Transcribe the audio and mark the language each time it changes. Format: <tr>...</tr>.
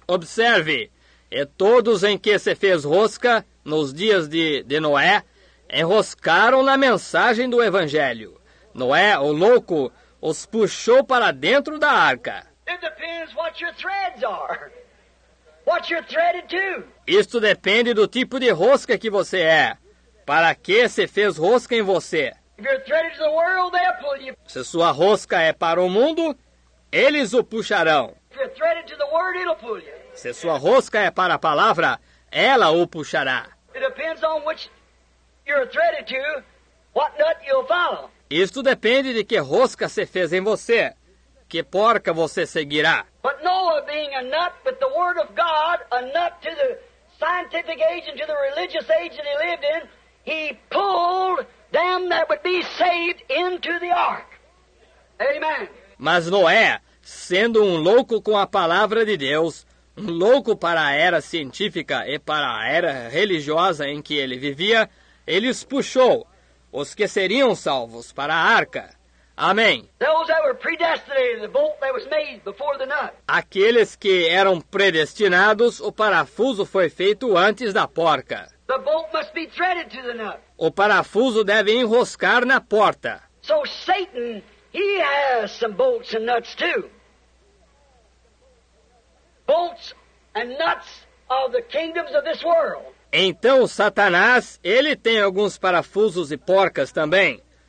<pt>Observe, e todos em que se fez rosca nos dias de Noé, enroscaram na mensagem do evangelho. Noé, o louco, os puxou para dentro da arca.</pt> <en>It depends what your threads are. What you're threaded to.</en> <pt>Isto depende do tipo de rosca que você é. Para que se fez rosca em você?</pt> <en>If you're threaded to the world, they'll pull you.</en> <pt>Se sua rosca é para o mundo, eles o puxarão.</pt> <en>If you're threaded to the word, it'll pull you.</en> <pt>Se sua rosca é para a palavra, ela o puxará.</pt> <en>It depends on which you're threaded to, what nut you'll follow.</en> <pt>Isto depende de que rosca se fez em você. Que porca você seguirá?</pt> <en>But Noah being a nut, but the word of God, a nut to the scientific age and to the religious age that he lived in, he pulled them that would be saved into the ark. Amen.</en> <pt>Mas Noé, sendo um louco com a palavra de Deus, um louco para a era científica e para a era religiosa em que ele vivia, ele os puxou, os que seriam salvos, para a arca. Amém.</pt> <en>Those that were predestinated, the bolt that was made before the nut.</en> <pt>Aqueles que eram predestinados, o parafuso foi feito antes da porca.</pt> <en>The bolt must be threaded to the nut.</en> <pt>O parafuso deve enroscar na porta.</pt> <en>So Satan, he has some bolts and nuts too. Bolts and nuts of the kingdoms of this world.</en> <pt>Então Satanás, ele tem alguns parafusos e porcas também.</pt>